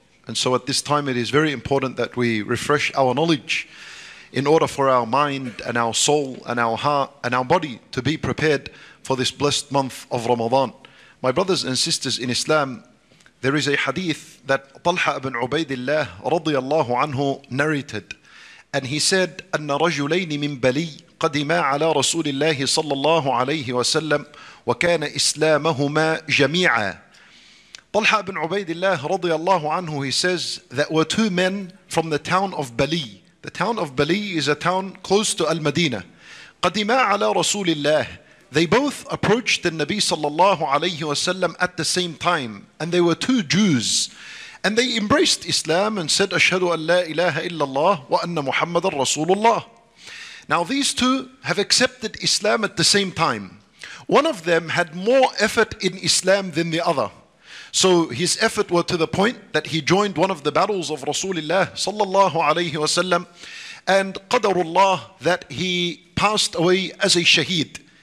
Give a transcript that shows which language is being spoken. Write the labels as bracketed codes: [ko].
[en] And so at this time, it is very important that we refresh our knowledge in order for our mind and our soul and our heart and our body to be prepared for this blessed month of Ramadan. My brothers and sisters in Islam, there is a hadith that Talha ibn Ubaidillah radiyallahu anhu narrated. And he said, [ar] أَنَّ رَجُلَيْنِ مِنْ بَلِي قَدِمَا عَلَى رَسُولِ اللَّهِ صَلَّى اللَّهُ عَلَيْهِ وَسَلَّمْ وَكَانَ إِسْلَامَهُمَا جَمِيعًا. [en] Talha ibn Ubaidillah radiyallahu anhu, he says, there were two men from the town of Bali. The town of Bali is a town close to Al-Madina. [ar] قَدِمَا عَلَى رَسُولِ اللَّهِ. [en] They both approached the Nabi sallallahu alayhi wasallam at the same time. And they were two Jews. And they embraced Islam and said, [ar] أَشْهَدُ أَنْ لَا إِلَهَ إِلَّا اللَّهِ وَأَنَّ مُحَمَّدًا رَسُولُ اللَّهِ. [en] Now these two have accepted Islam at the same time. One of them had more effort in Islam than the other. So his effort was to the point that he joined one of the battles of Rasulullah sallallahu alayhi wasallam. And qadarullah, that he passed away as a shaheed.